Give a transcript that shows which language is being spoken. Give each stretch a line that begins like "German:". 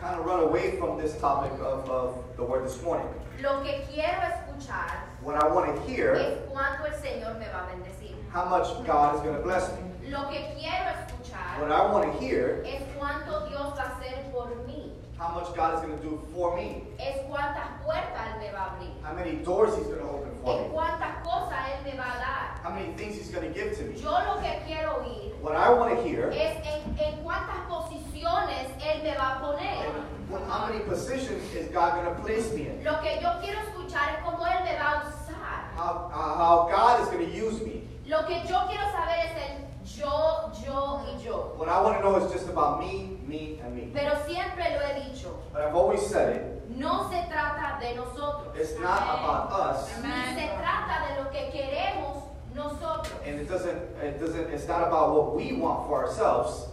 English: Kind of run away from this topic of the word this morning.
Spanish: Lo que quiero escuchar,
English: what I want to hear,
Spanish: es cuánto el Señor me va a bendecir.
English: How much God is going to bless me.
Spanish: Lo que quiero escuchar,
English: what I want to hear,
Spanish: es cuánto Dios va a hacer por mí.
English: How much God is going to do for me.
Spanish: Es cuántas puertas él me va a abrir.
English: How many doors he's going to open for
Spanish: me. Cuántas cosas él me va a dar.
English: How many things he's going to give to me.
Spanish: Yo lo que quiero oír.
English: What I want to hear.
Spanish: Es en cuántas posiciones él me va a poner.
English: How many positions is God going to place me in.
Spanish: Lo que yo quiero escuchar es cómo él me va a usar.
English: How God is going to use me.
Spanish: Lo que yo quiero saber es el yo, yo y yo.
English: What I want to know is just about me. Me and me.
Spanish: Pero siempre lo he dicho.
English: But I've always said it.
Spanish: No se trata de nosotros.
English: It's not Amen. About us.
Spanish: Amen. Se trata de lo que queremos nosotros.
English: And it's not about what we want for ourselves.